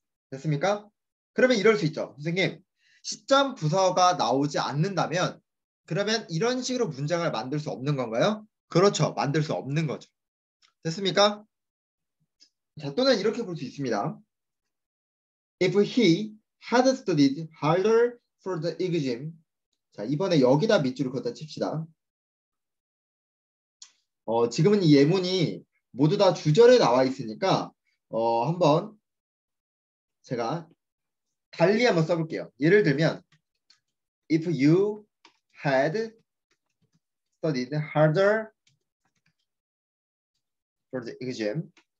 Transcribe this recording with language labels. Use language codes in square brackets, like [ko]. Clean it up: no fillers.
[ko] 됐습니까? 그러면 이럴 수 있죠. 선생님, 시점 부사어가 나오지 않는다면 그러면 이런 식으로 문장을 만들 수 없는 건가요? 그렇죠. 만들 수 없는 거죠. 됐습니까? 자, 또는 이렇게 볼 수 있습니다. [en] If he had studied harder for the exam. [ko] 자, 이번에 여기다 밑줄을 걷다 칩시다. 지금은 이 예문이 모두 다 주절에 나와 있으니까 한번 제가 달리 한번 써볼게요. 예를 들면 [en] If you had studied harder for the exam.